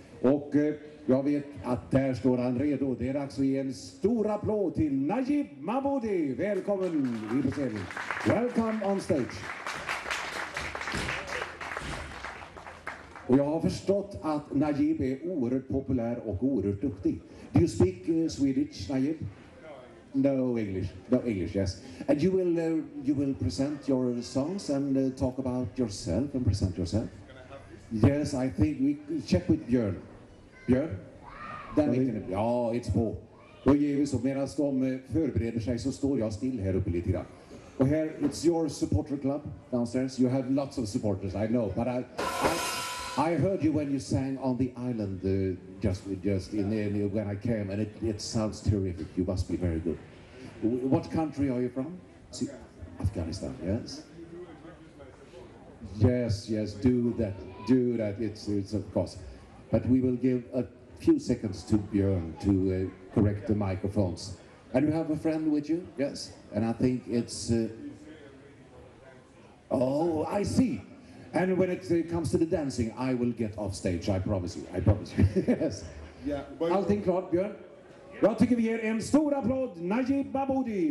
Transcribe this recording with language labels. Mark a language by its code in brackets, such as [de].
[sv] Och jag vet att där står han redo. Det är dags att ge en stor applåd till Najib Mahmoudi. Välkommen i scenen. [en] Welcome on stage. [sv] Och jag har förstått att Najib är oerhört populär och oerhört duktig. [en] Do you speak Swedish, Najib? No. No English. No English, yes. And you will present your songs and talk about yourself and present yourself. Can I have this? Yes, I think we check with Björn. Björn? [sv] Där mitten. Ja, [en] it's four. [sv] Då ger vi så. Medan de förbereder sig så står jag still här uppe lite grann. Och här, [en] it's your supporter club downstairs. You have lots of supporters, I know. But I heard you when you sang on the island just in there when I came. And it sounds terrific. You must be very good. What country are you from? Afghanistan, yes. Yes, do that. It's of course. But we will give a few seconds to Björn to correct the microphones. And you have a friend with you? Yes. And I think it's... I see. And when it comes to the dancing, I will get off stage. I promise you. Yes. Yeah. [sv] Allting klart, Björn? Jag tycker vi ger en stor applåd, Najib Babudi.